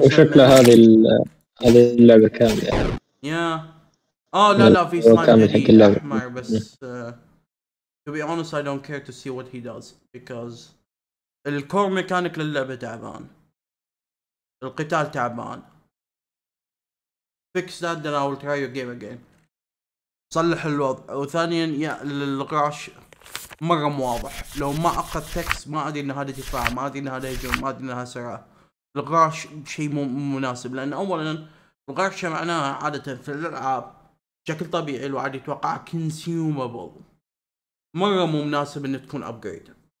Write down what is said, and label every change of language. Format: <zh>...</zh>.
<ar>وشكلها هذه اللعبة كاملة يا yeah. لا في سلايم احمر بس</ar> <en>to be honest I don't care to see what he does because</en> <ar>الكور ميكانيك للعبة تعبان، القتال تعبان.</ar> <en>fix that then I will try your game again.</en> <ar>صلح الوضع. وثانيا يا القراش مرة مواضح، لو ما أخذ تكس ما أدري إن هذا دفاع، ما أدري إن هذا هجوم، ما أدري إن هذا سرعة. الغرش شيء مو مناسب، لأن أولا الغرش معناها عادة في الألعاب بشكل طبيعي الواحد يتوقع كونسيومبل، مرة مو مناسب إن تكون أبجريد.</ar>